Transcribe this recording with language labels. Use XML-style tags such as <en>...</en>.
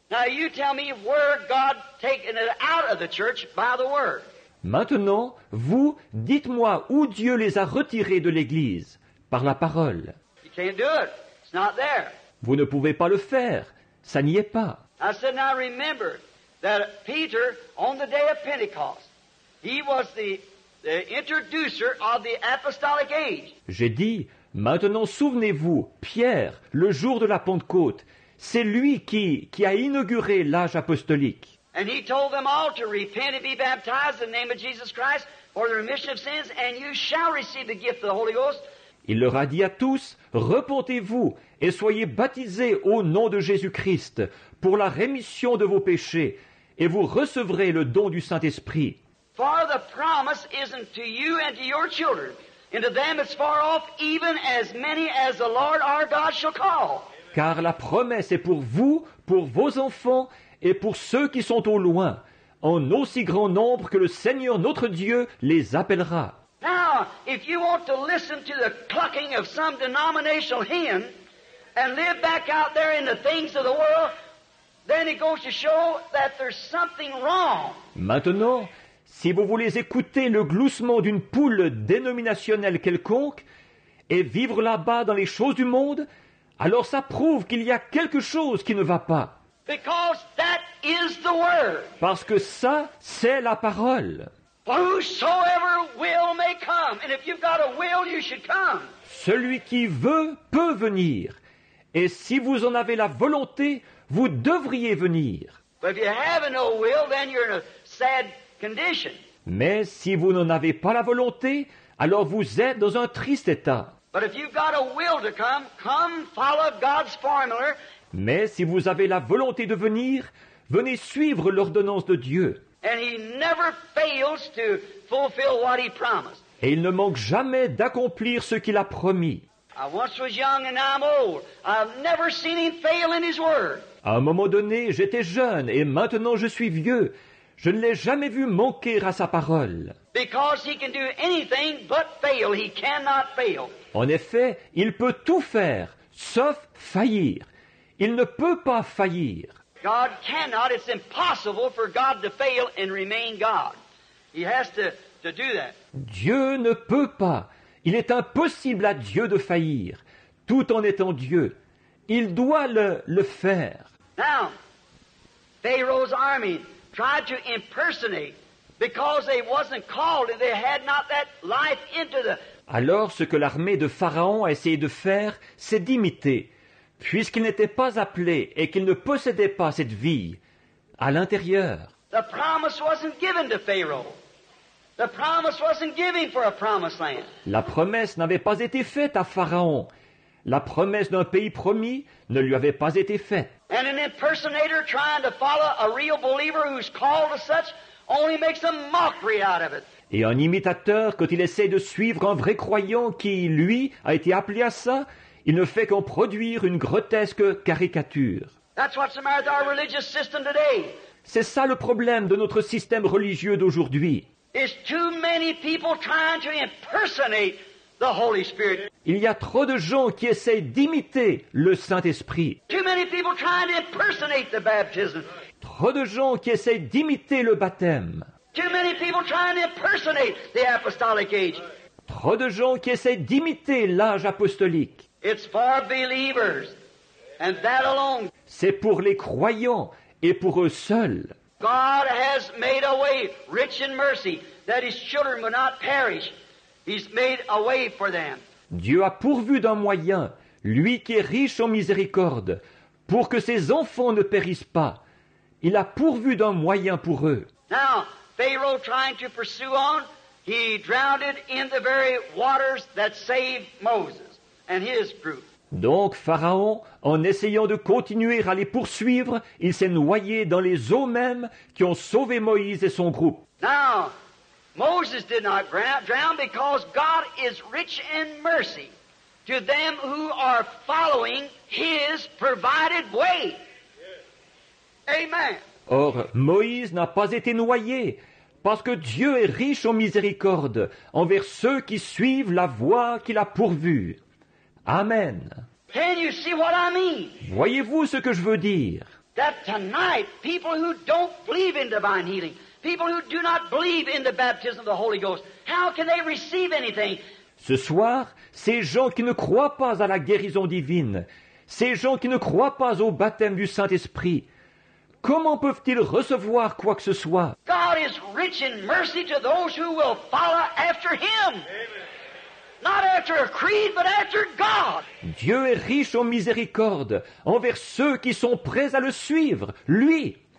<en>Now you tell me where God taken it out of the church by the word.</en> <fr>Maintenant, vous, dites-moi où Dieu les a retirés de l'Église, par la parole.</fr> <en>You can't do it. It's not there.</en> <fr>Vous ne pouvez pas le faire. Ça n'y est pas.</fr> <en>I said, now remember, that Peter, on the day of Pentecost, he was the introducer of the apostolic age.</en> <fr>J'ai dit, maintenant souvenez-vous, Pierre, le jour de la Pentecôte, c'est lui qui a inauguré l'âge apostolique.</fr> <en>And he told them all to repent and be baptized in the name of Jesus Christ for the remission of sins, and you shall receive the gift of the Holy Ghost.</en> <fr>Il leur a dit à tous, repentez-vous et soyez baptisés au nom de Jésus-Christ pour la rémission de vos péchés, et vous recevrez le don du Saint-Esprit.</fr> <en>For the promise isn't to you and to your children, and to them it's far off, even as many as the Lord our God shall call.</en> <fr>Car la promesse est pour vous, pour vos enfants, et pour ceux qui sont au loin, en aussi grand nombre que le Seigneur notre Dieu les appellera.</fr> <en>Now, if you want to listen to the clucking of some denominational hen and live back out there in the things of the world, then it goes to show that there's something wrong.</en> <fr>Maintenant, si vous voulez écouter le gloussement d'une poule dénominationnelle quelconque et vivre là-bas dans les choses du monde, alors ça prouve qu'il y a quelque chose qui ne va pas.</fr> <en>Because that is the word.</en> <fr>Parce que ça, c'est la parole.</fr> <en>Whosoever will may come. And if you've got a will, you should come.</en> <fr>Celui qui veut peut venir. Et si vous en avez la volonté, vous devriez venir.</fr> <en>But if you have no will, then you're in a sad condition.</en> <fr>Mais si vous n'en avez pas la volonté, alors vous êtes dans un triste état.</fr> <en>But if you've got a will to come, come follow God's formula.</en> <fr>Mais si vous avez la volonté de venir, venez suivre l'ordonnance de Dieu.</fr> <en>And he never fails to fulfill what he promised.</en> <fr>Et il ne manque jamais d'accomplir ce qu'il a promis.</fr> <en>I once was young and I'm old. I've never seen him fail in his word.</en> <fr>À un moment donné, j'étais jeune et maintenant je suis vieux. Je ne l'ai jamais vu manquer à sa parole.</fr> <en>Because he can do anything but fail. He cannot fail.</en> <fr>En effet, il peut tout faire, sauf faillir. Il ne peut pas faillir.</fr> <en>God cannot, it's impossible for God to fail and remain God. He has to do that.</en> <fr>Dieu ne peut pas. Il est impossible à Dieu de faillir, tout en étant Dieu. Il doit le faire.</fr> <en>Now, Pharaoh's army tried to impersonate because they wasn't called and they had not that life into the...</en> <fr>Alors, ce que l'armée de Pharaon a essayé de faire, c'est d'imiter. Puisqu'il n'était pas appelé et qu'il ne possédait pas cette vie à l'intérieur.</fr> <en>The promise wasn't given to Pharaoh. The promise wasn't given for a promised land.</en> <fr>La promesse n'avait pas été faite à Pharaon. La promesse d'un pays promis ne lui avait pas été faite.</fr> <en>And an impersonator trying to follow a real believer who's called to such only makes a mockery out of it.</en> <fr>Et un imitateur, quand il essaie de suivre un vrai croyant qui, lui, a été appelé à ça, il ne fait qu'en produire une grotesque caricature.</fr> <en>That's what's the matter with our religious system today.</en> <fr>C'est ça le problème de notre système religieux d'aujourd'hui.</fr> <en>It's too many people trying to impersonate the Holy Spirit.</en> <fr>Il y a trop de gens qui essayent d'imiter le Saint-Esprit.</fr> <en>Too many people trying to impersonate the baptism.</en> <fr>Trop de gens qui essayent d'imiter le baptême.</fr> <en>Too many people trying to impersonate the apostolic age.</en> <fr>Trop de gens qui essayent d'imiter l'âge apostolique.</fr> <en>It's for believers, and that alone.</en> <fr>C'est pour les croyants et pour eux seuls.</fr> <en>God has made a way, rich in mercy, that his children will not perish. He's made a way for them.</en> <fr>Dieu a pourvu d'un moyen, lui qui est riche en miséricorde, pour que ses enfants ne périssent pas. Il a pourvu d'un moyen pour eux.</fr> <en>Now, Pharaoh trying to pursue on, he drowned in the very waters that saved Moses. And his group.</en> <fr>Donc Pharaon, en essayant de continuer à les poursuivre, il s'est noyé dans les eaux mêmes qui ont sauvé Moïse et son groupe.</fr> <en>Now, Moses did not drown because God is rich in mercy to them who are following his provided way. Amen.</en> <fr>Or, Moïse n'a pas été noyé parce que Dieu est riche en miséricorde envers ceux qui suivent la voie qu'il a pourvue. Amen.</fr> <en>Can you see what I mean?</en> <fr>Voyez-vous ce que je veux dire?</fr> <en>That tonight, people who don't believe in divine healing, people who do not believe in the baptism of the Holy Ghost, how can they receive anything?</en> <fr>Ce soir, ces gens qui ne croient pas à la guérison divine, ces gens qui ne croient pas au baptême du Saint-Esprit, Comment peuvent-ils recevoir quoi que ce soit?</fr> <en>God is rich in mercy to those who will follow after him. Amen. Not after a creed, but after God.</en> <fr>Dieu est riche en miséricorde envers ceux qui sont prêts à le suivre, lui.</fr>